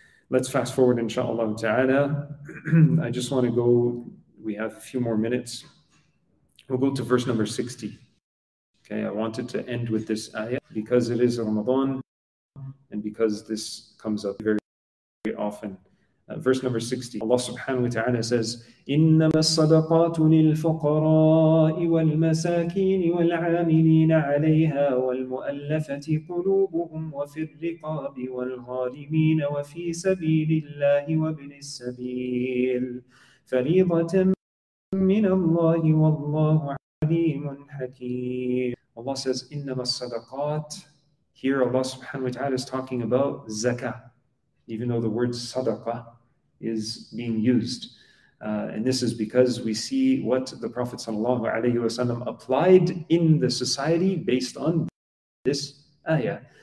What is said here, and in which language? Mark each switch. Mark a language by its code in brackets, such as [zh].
[en] Let's fast forward, inshallah ta'ala. I just want to go, we have a few more minutes. We'll go to verse number 60. Okay, I wanted to end with this ayah because it is Ramadan and because this comes up very, very often. Verse number 60, Allah subhanahu wa ta'ala says, [ar] إِنَّمَا الصَّدَقَاتُ لِلْفُقَرَاءِ وَالْمَسَاكِينِ وَالْعَامِلِينَ عَلَيْهَا وَالْمُؤَلَّفَةِ قُلُوبُهُمْ وَفِي الرِّقَابِ وَالْغَارِمِينَ وَفِي سَبِيلِ اللَّهِ وَابْنِ السَّبِيلِ فَرِيضَةً مِّنَ اللَّهِ وَاللَّهُ عَلِيمٌ حَكِيمٌ. [en] Allah says, [ar] إِنَّمَا الصَّدَقَاتُ. [en] Here Allah subhanahu wa ta'ala is talking about zakah, even though the word sadaqah is being used. And this is because we see what the Prophet sallallahu alayhi wa sallam applied in the society based on this ayah.